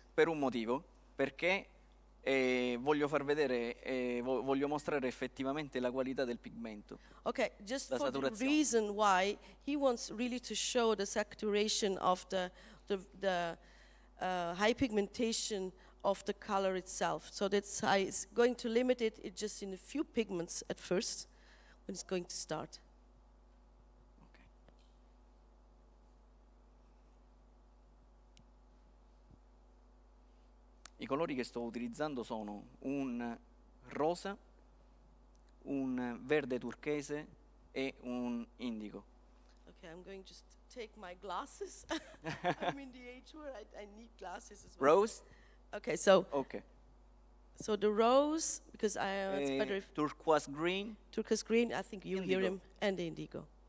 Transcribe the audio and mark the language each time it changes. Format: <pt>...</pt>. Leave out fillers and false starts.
<it>Per un motivo, perché voglio far vedere voglio mostrare effettivamente la qualità del pigmento.</it> <en>Okay, just for the reason why he wants really to show the saturation of the high pigmentation of the color itself. So that's how it's going to limit it, just in a few pigments at first, when it's going to start. Okay.</en> <it>I colori che sto utilizzando sono un rosa, un verde turchese e un indigo.</it> <en>Okay, I'm going just to take my glasses. I'm in the age where I need glasses as well. Rose? Okay, so okay. So the rose, because I it's better if turquoise green. Turquoise green, I think you indigo. Hear him, and the indigo.</en>